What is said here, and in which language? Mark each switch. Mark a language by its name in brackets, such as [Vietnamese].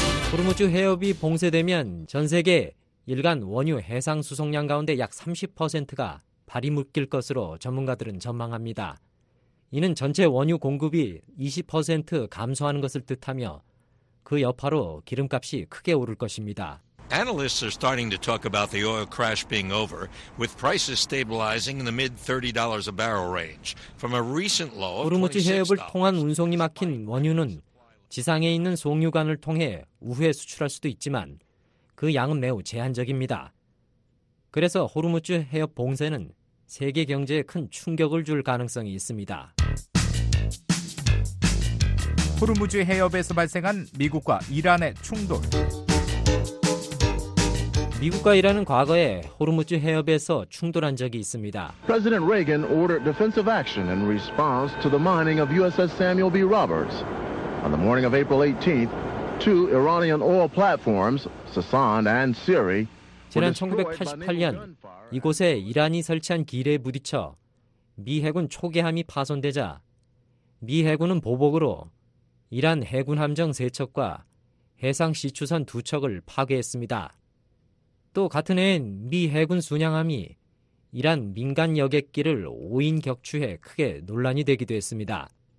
[Korean] 호르무즈 해협이 봉쇄되면 전 세계 일간 원유 해상 수송량 가운데 약 30%가 발이 묶일 것으로 전문가들은 전망합니다. 이는 전체 원유 공급이 20% 감소하는 것을 뜻하며 그 여파로 기름값이 크게 오를 것입니다. [English] Analysts are starting to talk about the oil crash being over, with prices stabilizing in the mid $30 a barrel range from a recent low. [Korean] 호르무즈 해협을 통한 운송이 막힌 원유는 지상에 있는 송유관을 통해 우회 수출할 수도 있지만 그 양은 매우 제한적입니다. 그래서 호르무즈 해협 봉쇄는 세계 경제에 큰 충격을 줄 가능성이 있습니다. 호르무즈 해협에서 발생한 미국과 이란의 충돌. 미국과 이란은 과거에 호르무즈 해협에서 충돌한 적이 있습니다. [English] President Reagan ordered defensive action in response to the mining of USS Samuel B. Roberts. On the morning of April 18th, two Iranian oil platforms, Sasan and Siri, [Korean] 지난 1988년 이곳에 이란이 설치한 기뢰에 부딪혀 미 해군 초계함이 파손되자 미 해군은 보복으로 이란 해군 함정 3척과 해상 시추선 2척을 파괴했습니다. 또 같은 해엔 미 해군 순양함이 이란 민간 여객기를 5인 격추해 크게 논란이 되기도 했습니다.